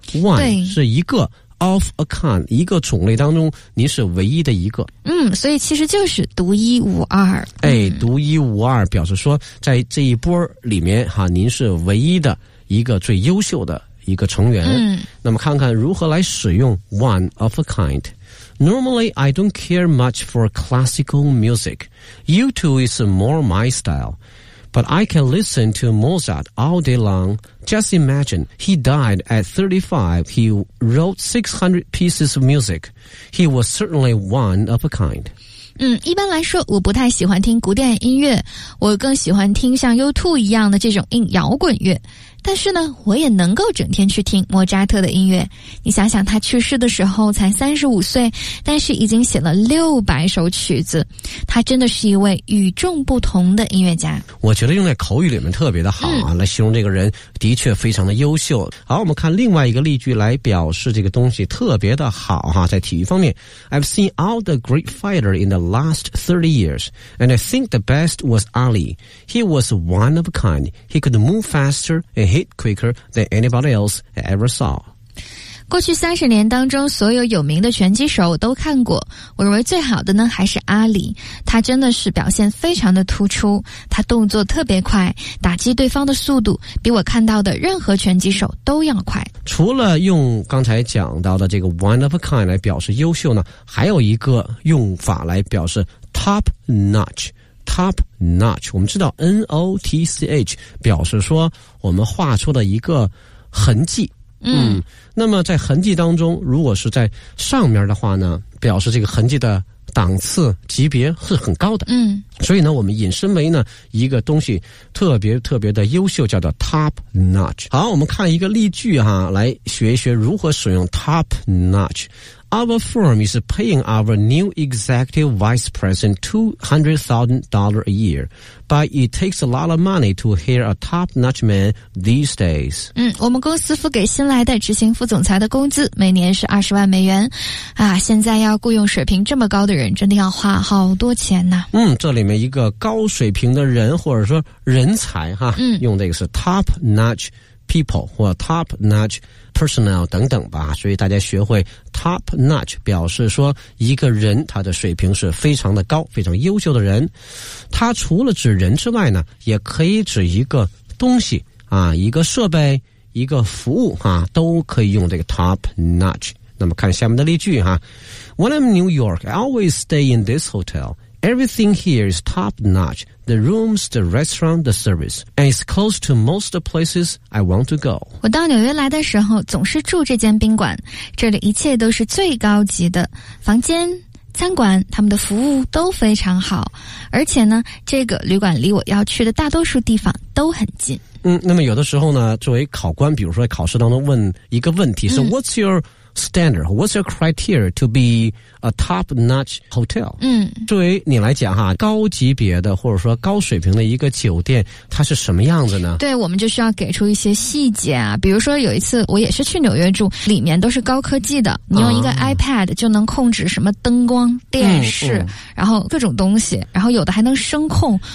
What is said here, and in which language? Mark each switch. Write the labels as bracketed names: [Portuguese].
[Chinese] one 是一个， [English] of a kind [Chinese] 一个种类当中你是唯一的一个，所以其实就是独一无二。哎，独一无二表示说在这一波里面哈，您是唯一的一个最优秀的一个成员。那么看看如何来使用 [English] one of a kind。 Normally I don't care much for classical music. U2 is more my style. But I can listen to Mozart all day long. Just imagine, he died at 35. He wrote 600 pieces of music. He was certainly one of a kind. [Chinese] 一般来说我不太喜欢听古典音乐，我更喜欢听像 U2 一样的这种硬摇滚乐。但是呢，我也能够整天去听莫扎特的音乐。你想想，他去世的时候才35岁，但是已经写了600首曲子。他真的是一位与众不同的音乐家。我觉得用在口语里面特别的好啊，来形容这个人的确非常的优秀。好，我们看另外一个例句来表示这个东西特别的好哈，在体育方面 [English] ，I've seen all the great fighters in the last 30 years, and I think the best was Ali. He was one of a kind. He could move faster and hit quicker than anybody else ever saw. [Chinese] 过去30年当中所有有名的拳击手我都看过，我认为最好的呢还是阿里，他真的是表现非常的突出，他动作特别快，打击对方的速度比我看到的任何拳击手都要快。除了用刚才讲到的这个 [English] one of a kind [Chinese] 来表示优秀呢，还有一个用法来表示 top notch。 Top notch， 我们知道 N-O-T-C-H 表示说我们画出了一个痕迹。那么在痕迹当中，如果是在上面的话呢，表示这个痕迹的档次级别是很高的。所以呢我们引申为呢一个东西特别特别的优秀，叫做 top notch。好，我们看一个例句哈，来学一学如何使用 top notch。 [English] Our firm is paying our new executive vice president $200,000 a year, but it takes a lot of money to hire a top-notch man these days. [Chinese] 我们公司付给新来的执行副总裁的工资每年是$200,000。啊，现在要雇佣水平这么高的人，真的要花好多钱呢。这里面一个高水平的人，或者说人才哈，用的一个是 top-notch people 或 top-notch personnel 等等吧。所以大家学会Top notch 表示说一个人他的水平是非常的高，非常优秀的人。他除了指人之外呢，也可以指一个东西啊，一个设备，一个服务啊，都可以用这个 top notch。那么看下面的例句哈。 [English] When I'm in New York, I always stay in this hotel. Everything here is top notch. The rooms, the restaurant, the service. And it's close to most of the places I want to go. [Chinese] 我到纽约来的时候总是住这间宾馆，这里一切都是最高级的，房间、餐馆，他们的服务都非常好，而且呢这个旅馆离我要去的大多数地方都很近。那么有的时候呢，作为考官，比如说考试当中问一个问题，是 [English] What's your standard? What's your criteria to be a top-notch hotel? [Chinese] 作为你来讲哈，高级别的或者说高水平的一个酒店它是什么样子呢？对，我们就需要给出一些细节啊。比如说有一次我也是去纽约住，里面都是高科技的，你用一个 iPad 就能控制什么灯光、电视，然后各种东西，然后有的还能声控。